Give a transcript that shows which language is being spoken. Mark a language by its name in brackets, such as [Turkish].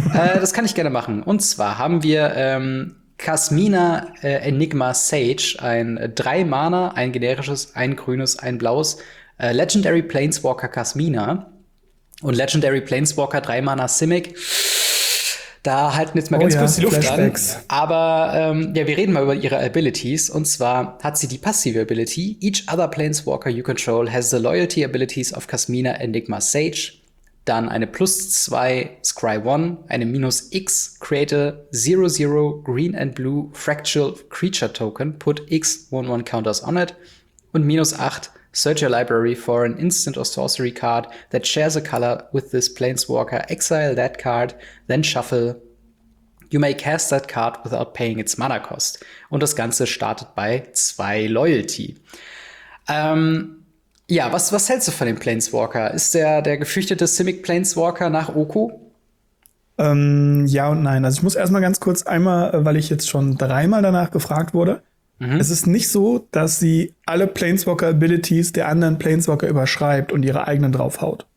[German] Das kann ich gerne machen. Und zwar haben wir Kasmina Enigma Sage, ein 3-Mana, ein generisches, ein grünes, ein blaues Legendary Planeswalker Kasmina. Und Legendary Planeswalker 3-Mana Simic. Da halten jetzt mal ganz kurz die Luft an. Aber wir reden mal über ihre Abilities. Und zwar hat sie die passive Ability. [English] Each other Planeswalker you control has the loyalty abilities of Kasmina Enigma Sage. [German] Dann eine [English] +2 Scry 1, [German] eine [English] -X create a 0/0 green and blue fractal creature token. Put X 1/1 counters on it. [German] Und [English] -8 search your library for an instant or sorcery card that shares a color with this planeswalker. Exile that card, then shuffle. You may cast that card without paying its mana cost. [German] Und das Ganze startet bei 2 Loyalty. Ja, was hältst du von dem Planeswalker? Ist der gefürchtete Simic Planeswalker nach Oko? Ja und nein. Also ich muss erstmal ganz kurz einmal, weil ich jetzt schon dreimal danach gefragt wurde. Mhm. Es ist nicht so, dass sie alle Planeswalker-Abilities der anderen Planeswalker überschreibt und ihre eigenen draufhaut.